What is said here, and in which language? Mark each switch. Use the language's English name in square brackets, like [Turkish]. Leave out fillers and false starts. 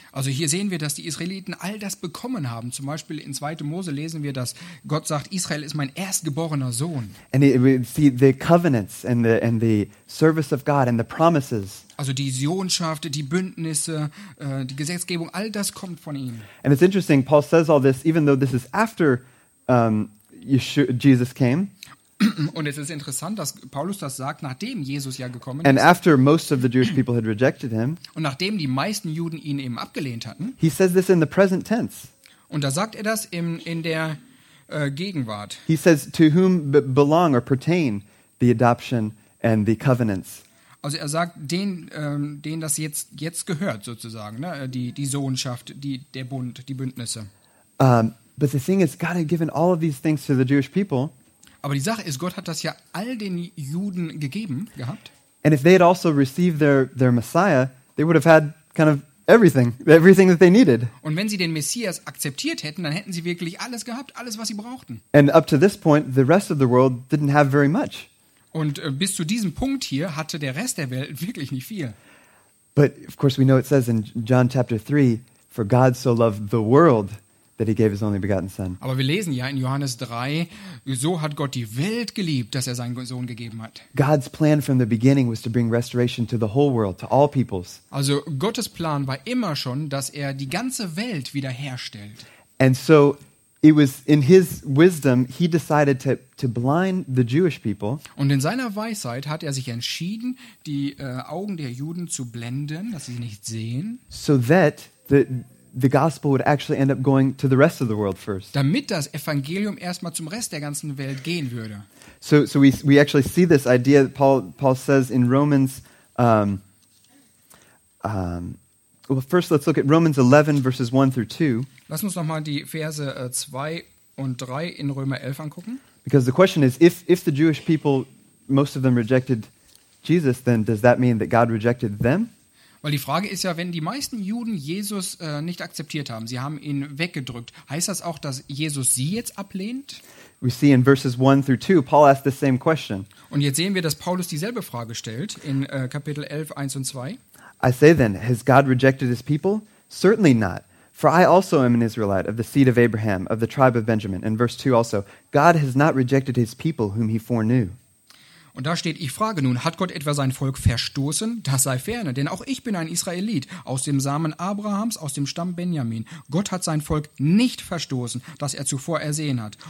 [German] Also hier sehen wir, dass die Israeliten all das bekommen haben. Zum Beispiel in 2. Mose lesen wir, dass Gott sagt, Israel ist mein erstgeborener Sohn. [English] And we see the covenants and the service of God and the promises. [German] Also die Sohnschaft, die Bündnisse, die Gesetzgebung, all das kommt von ihm. [English] And it's interesting, Paul says all this, even though this is after Jesus came. [German] Und es ist interessant, dass Paulus das sagt, nachdem Jesus ja gekommen [English] and [German] ist. [English] After most of the Jewish people had rejected him. [German] Und nachdem die meisten Juden ihn eben abgelehnt hatten. [English] He says this in the present tense. [German] Und da sagt er das in der Gegenwart. [English] He says, to whom belong or pertain the adoption and the covenants. [German] Also er sagt, denen das jetzt gehört sozusagen, ne? die Sohnschaft, der Bund, die Bündnisse. [English] But the thing is, God had given all of these things to the Jewish people. [German] Aber die Sache ist, Gott hat das ja all den Juden gegeben gehabt. [English] And if they had also received their Messiah, they would have had kind of everything that they needed. [German] Und wenn sie den Messias akzeptiert hätten, dann hätten sie wirklich alles gehabt, alles was sie brauchten. [English] And up to this point, the rest of the world didn't have very much. [German] Und bis zu diesem Punkt hier hatte der Rest der Welt wirklich nicht viel. [English] But of course we know it says in John chapter 3, for God so loved the world that he gave his only begotten son. [German] Aber wir lesen ja in Johannes 3, so hat Gott die Welt geliebt, dass er seinen Sohn gegeben hat. [English] God's plan from the beginning was to bring restoration to the whole world, to all peoples. [German] Also Gottes Plan war immer schon, dass er die ganze Welt wiederherstellt. [English] And so it was in his wisdom he decided to blind the Jewish people. [German] Und in seiner Weisheit hat er sich entschieden, die Augen der Juden zu blenden, dass sie nicht sehen. [English] So that the gospel would actually end up going to the rest of the world first. [German] Damit das Evangelium erstmal zum Rest der ganzen Welt gehen würde. [English] So we actually see this idea that Paul says in Romans. Well, first let's look at Romans 11 verses 1 through 2. [German] Lass uns nochmal die Verse 2 und 3 in Römer 11 angucken. [English] Because the question is, if the Jewish people, most of them rejected Jesus, then does that mean that God rejected them? [German] Weil die Frage ist ja, wenn die meisten Juden Jesus nicht akzeptiert haben, sie haben ihn weggedrückt, heißt das auch, dass Jesus sie jetzt ablehnt? [English] We see in verses 1 through 2, Paul asked the same question. [German] Und jetzt sehen wir, dass Paulus dieselbe Frage stellt in Kapitel 11, 1 und 2. [English] I say then, has God rejected his people? Certainly not. For I also am an Israelite of the seed of Abraham, of the tribe of Benjamin. In verse 2 also, God has not rejected his people whom he foreknew. [German] Und da steht, ich frage nun, hat Gott etwa sein Volk verstoßen? Das sei ferne, denn auch ich bin ein Israelit, aus dem Samen Abrahams, aus dem Stamm Benjamin. Gott hat sein Volk nicht verstoßen, das er zuvor ersehen hat.